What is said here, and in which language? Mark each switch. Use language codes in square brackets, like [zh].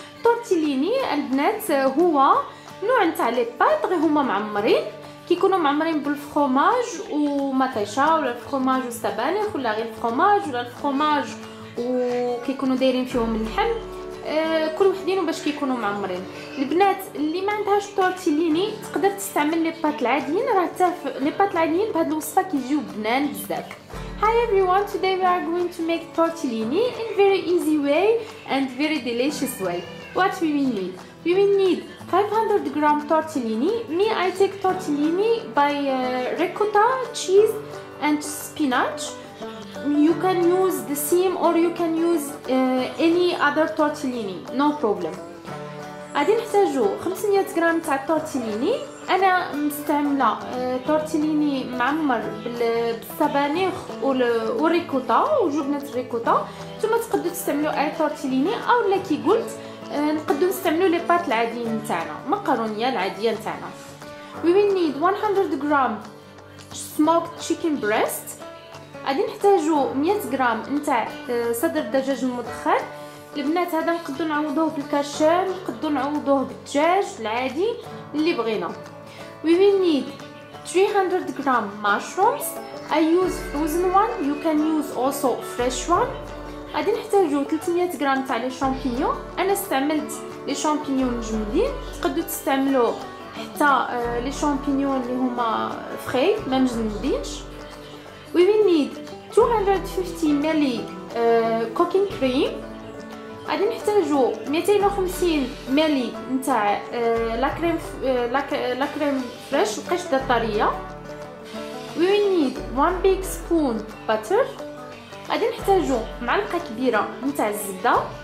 [ar] التورتيليني البنات هو نوع نتاع لي بات غير هما معمرين، كيكونوا معمرين بالفخوماج ومطيشه ولا الفخوماج والسبانخ ولا غير الفخوماج ولا الفخوماج وكيكونوا دايرين فيهم اللحم، كل وحدين باش كيكونوا معمرين. البنات اللي ما عندهاش تورتيليني تقدر تستعمل لي بات العاديين، راه حتى لي بات العاديين بهذه الوصفه كيجيو بنان بزاف. [en] Hi everyone, today we are going to make tortellini in very easy way and very delicious way. What we will need? We will need 500 gram tortellini. Me, I take tortellini by ricotta, cheese and spinach. You can use the same or you can use any other tortellini, no problem. [ar] غادي نحتاجو 500 غرام تاع التورتيليني. انا مستعمله تورتيليني معمر بالسبانخ والريكوتا وجبنه الريكوتا. ثم تقدروا تستعملوا اي تورتيليني او لا كي قلت نقدروا نستعملوا لي بات العاديين تاعنا، مقرونيه العاديه تاعنا. [en] We will need 100 غرام smoke chicken breast. [ar] غادي نحتاجو 100 غرام نتاع صدر دجاج مدخن. البنات هذا نقدو نعوضوه بالكاشير، نقدو نعوضوه بالدجاج العادي اللي بغينا. [en] We will need 300 غرام mushrooms. I use frozen one, you can use also fresh one. [ar] غادي نحتاجو 300 غرام تاع لي شامبينيون. انا استعملت لي شامبينيون مجمدين، تقدو تستعملو حتى لي شامبينيون اللي هما فري ما مجمدينش. [en] We will need 250 ملي cooking cream. [ar] غادي نحتاجو 250 ملي نتاع لاكريم لاكريم فريش القشدة الطرية. [en] We will need 1 big spoon butter. [ar] غادي نحتاجو معلقة كبيرة نتاع الزبدة.